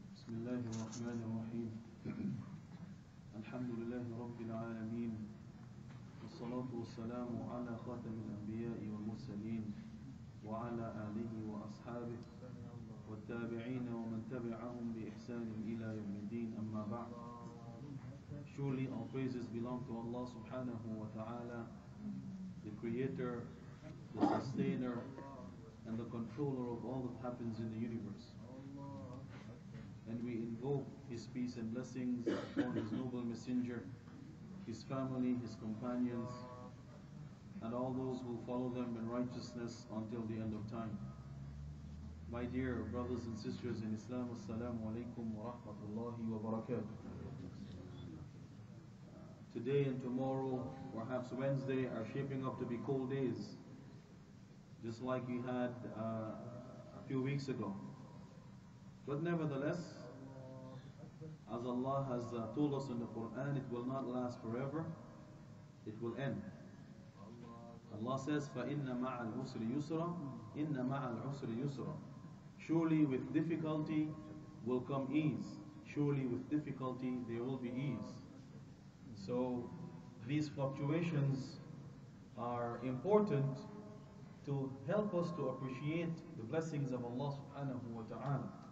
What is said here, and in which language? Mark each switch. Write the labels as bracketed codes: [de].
[ar] الله الرحمن الرحيم الحمد لله رب العالمين والصلاة والسلام على خاتم الأنبياء والمرسلين وعلى آله وأصحابه والتابعين ومن تبعهم بإحسان إلى يوم الدين أما بعد. [en] Surely all praises belong to Allah subhanahu wa ta'ala, the creator, the sustainer, and the controller of all that happens in the universe. And we invoke his peace and blessings upon his noble messenger, his family, his companions, and all those who follow them in righteousness until the end of time. My dear brothers and sisters in Islam, assalamu alaikum wa rahmatullahi wa barakatuh. Today and tomorrow, perhaps Wednesday, are shaping up to be cold days, just like we had a few weeks ago. But nevertheless, as Allah has told us in the Qur'an, it will not last forever, it will end. Allah says, [ar] فَإِنَّ مَعَ الْعُسْرِ يُسْرًا إِنَّ مَعَ الْعُسْرِ يُسْرًا. [en] Surely with difficulty will come ease. Surely with difficulty there will be ease. So these fluctuations are important to help us to appreciate the blessings of Allah subhanahu wa ta'ala.